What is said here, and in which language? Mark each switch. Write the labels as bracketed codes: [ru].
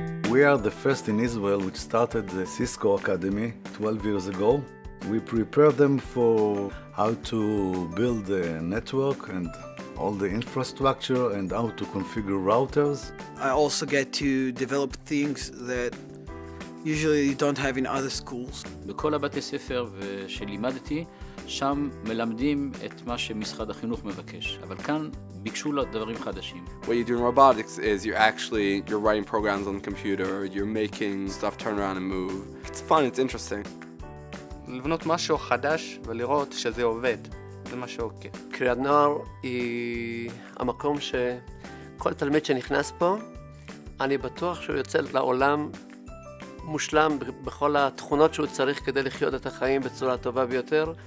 [en] We are the first in Israel which started the Cisco Academy 12 years ago. We prepare them for how to build a network and all the infrastructure and how to configure routers. I also get to develop things that usually you don't have in other schools. [he] בכל בתי ספר שלימדתי, שם מלמדים את מה שמשרד החינוך מבקש, אבל כאן ביקשו לדברים חדשים. [en] What you do in robotics is you're writing programs on the computer, you're making stuff turn around and move. It's fun, it's interesting. [he] לבנות משהו חדש ולראות שזה עובד, זה משהו אוקיי. קריית נוער היא המקום שכל תלמיד שנכנס פה, אני בטוח שהוא יוצא לעולם מושלם בכל התכונות שהוא צריך כדי לחיות את החיים בצורה הטובה ביותר.